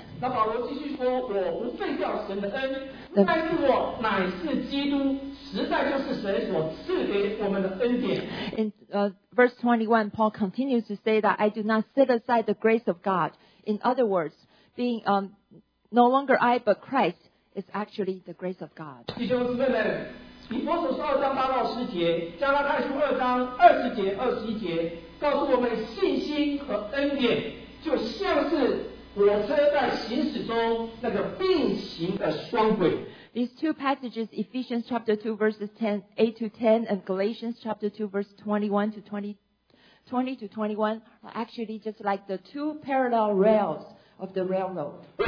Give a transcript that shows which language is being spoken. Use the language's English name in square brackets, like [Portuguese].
[Chinese] 那保罗继续说，我不废掉神的恩，但是我乃是基督，实在就是神所赐给我们的恩典。 [English] In verse 21, Paul continues to say that I do not set aside the grace of God. In other words, being no longer I, but Christ is actually the grace of God. [Chinese] 弟兄姊妹们，以弗所书二章八到十节，加拉太书二章二十节、二十一节，告诉我们信心和恩典就像是火车在行驶中那个并行的双轨。 [English] These two passages, Ephesians chapter 2 verses 8 to 10 and Galatians chapter 2 verse 20 to 21 are actually just like the two parallel rails of the railroad.